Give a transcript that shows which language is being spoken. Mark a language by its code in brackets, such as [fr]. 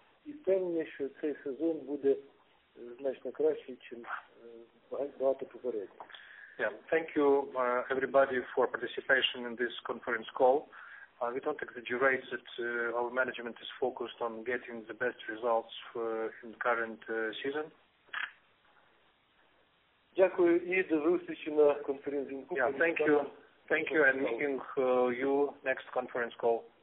[uk] І впевнений, що цей сезон буде значно краще, ніж багато попередніх. [en] Yeah. Thank you, everybody, for participation in this conference call. We don't exaggerate that our management is focused on getting the best results in the current season. [uk] Дякую і до зустрічі на конференці. [en] Yeah, thank you. Thank you, and meeting you next conference call.